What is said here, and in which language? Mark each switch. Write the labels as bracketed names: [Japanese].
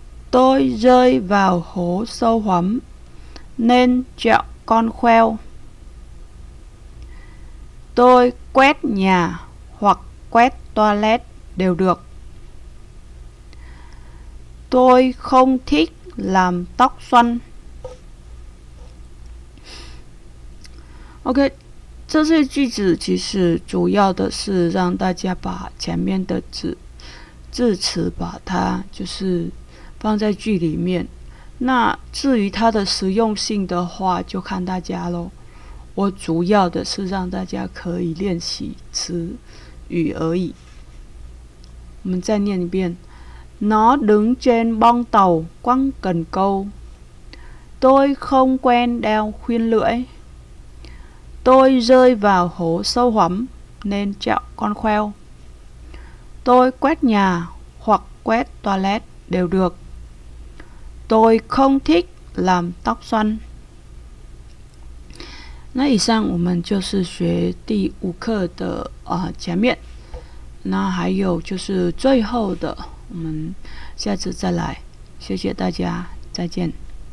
[Vietnamese] Tôi rơi vào hố sâu hoắm nên trẹo con khoeo. Tôi quét nhà hoặc quét toilet đều được. Tôi không thích làm tóc xoăn. [Chinese] OK， 这些句子其实主要的是让大家把前面的字词把它就是放在句里面。那至于它的实用性的话，就看大家咯。我主要的是让大家可以练习词语而已。我们再念一遍。 [Vietnamese] Nó đứng trên boong tàu quăng cần câu. Tôi không quen đeo khuyên lưỡi. Tôi rơi vào hố sâu hoắm nên trẹo con khoeo. Tôi quét nhà hoặc quét toilet đều được. Tôi không thích làm tóc xoăn. [Chinese] 那以上我们就是学第五课的前面，那还有就是最后的，我们下次再来，谢谢大家，再见。